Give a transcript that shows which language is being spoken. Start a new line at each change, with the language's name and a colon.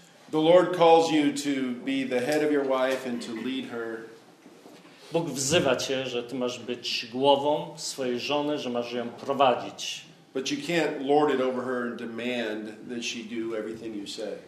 English: The Lord calls you to be the head of your wife and to lead her.
Polish: Bóg wzywa cię, że ty masz być głową swojej żony, że masz ją prowadzić.
English: But you can't lord it over her and demand that she do everything you say.